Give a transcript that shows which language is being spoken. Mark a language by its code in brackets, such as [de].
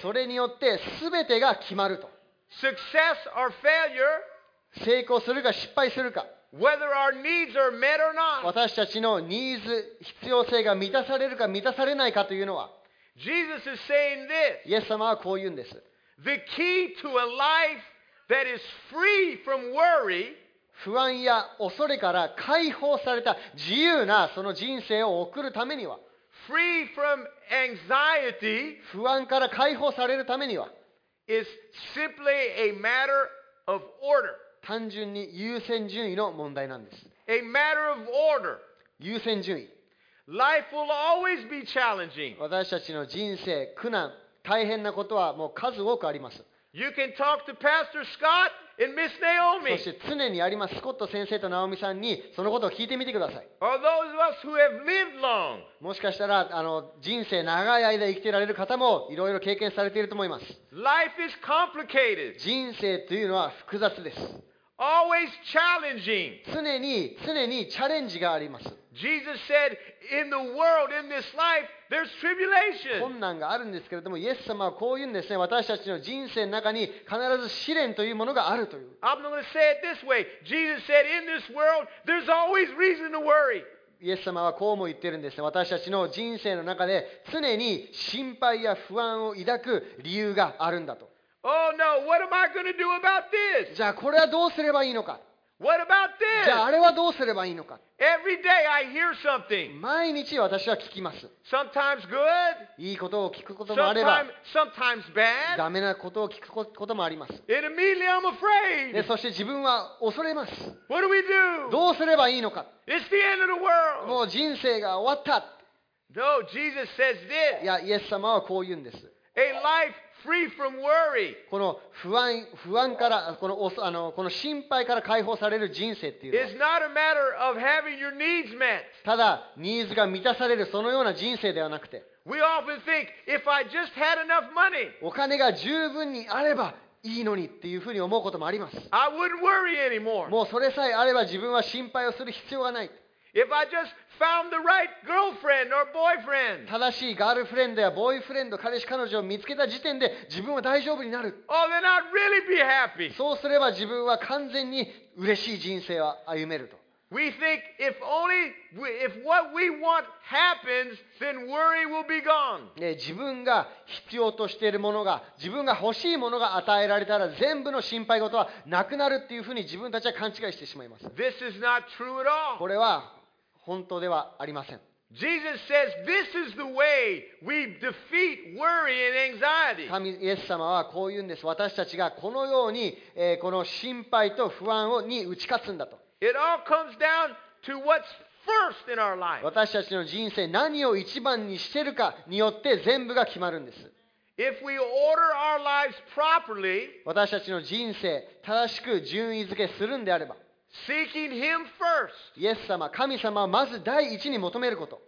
[ja] それによって全てが決まると。 [en] Success or failure. [ja] 成功するか失敗するか。 [en] Whether our needs are met or not. [ja] 私たちのニーズ、必要性が満たされるか満たされないかというのは、 [en] Jesus is saying this. [ja] イエス様はこう言うんです。 [en] The key to a life that is free from worry. [ja] 不安や恐れから解放された自由なその人生を送るためには、 [en] free from anxiety. [ja] 不安から解放されるためには、 [en] is simply a matter of order. [ja] 単純に優先順位の問題なんです。 [en] A matter of order. [ja] 優先順位。 [en] Life will always be challenging. [ja] 私たちの人生、苦難、大変なことはもう数多くあります。 [en] You can talk to Pastor Scott and Miss Naomi. [ja] そして常にあります、スコット先生とナオミさんにそのことを聞いてみてください。 [en] Or those of us who have lived long. [ja] もしかしたら人生長い間生きていられる方もいろいろ経験されていると思います。 [en] Life is complicated. [ja] 人生というのは複雑です。 [en] Always challenging. [ja] 常にチャレンジがあります。 [en] Jesus said, in the world, in this life, there's tribulation. [ja] 困難があるんですけれども、イエス様はこう言うんですね。私たちの人生の中に必ず試練というものがあるという。 [en] I'm going to say it this way. Jesus said, in this world, there's always reason to worry. [ja] イエス様はこうも言ってるんですね。私たちの人生の中で常に心配や不安を抱く理由があるんだと。 [en] Oh no, what am I going to do about this? [ja] じゃあこれはどうすればいいのか? [en] What about this? [ja] じゃああれはどうすればいいのか? [en] Every day I hear something. [ja] 毎日私は聞きます。 [en] Sometimes good. [ja] いいことを聞くこともあれば。 [en] Sometimes bad. [ja] ダメなことを聞くこともあります。 [en] And immediately I'm afraid. [ja] で、そして自分は恐れます。 [en] What do we do? [ja] どうすればいいのか? [en] It's the end of the world. [ja] もう人生が終わった。 [en] No, Jesus says this. [ja] いや、イエス様はこう言うんです。 [en] A life Free from worry. [ja] この不安からこの心配から解放される人生っていうのは、 [en] is not a matter of having your needs met. [ja] ただニーズが満たされるそのような人生ではなくて、 [en] we often think if I just had enough money. [ja] お金が十分にあればいいのにっていうふうに思うこともあります。 [en] I wouldn't worry anymore. [ja] もうそれさえあれば自分は心配をする必要がない。 [en] If I just found the right girlfriend or boyfriend. [ja] 正しいガールフレンドやボーイフレンド、彼氏彼女を見つけた時点で自分は大丈夫になる。 [en] Oh, then I'd really be happy. [ja] そうすれば自分は完全に嬉しい人生を歩めると。 [en] We think if only if what we want happens, then worry will be gone. [ja] ね、自分が必要としているものが、自分が欲しいものが与えられたら、全部の心配事はなくなるっていうふうに自分たちは勘違いしてしまいます。 [en] This is not true at all. [ja] これは本当ではありません。 [en] Jesus says this is the way we defeat worry and anxiety. [ja] 神イエス様はこう言うんです。私たちがこのように、この心配と不安に打ち勝つんだと。 [en] It all comes down to what's first in our life. [ja] 私たちの人生何を一番にしてるかによって全部が決まるんです。 [en] If we order our lives properly, [ja] 私たちの人生正しく順位付けするんであれば、 [en] Seeking Him first. [ja] イエス様、神様をまず第一に求めること。